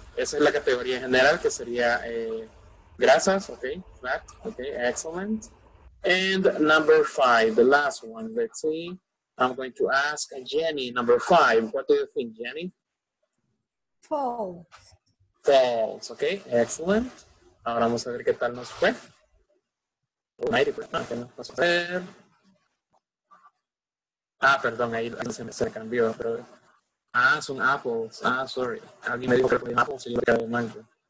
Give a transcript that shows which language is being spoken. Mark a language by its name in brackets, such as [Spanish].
[Spanish] Esa es la categoría general que sería grasas, okay, fat, okay, excellent. [English] And number five, the last one, let's see. I'm going to ask Jenny, number five, what do you think, Jenny? False. False, okay, excellent. [Spanish] Ahora vamos a ver qué tal nos fue. ¿Qué nos pasó a hacer? Ah, perdón, ahí se cambió, pero... Ah, son apples. Ah, sorry. Alguien me dijo que era apples y yo creo que era mango.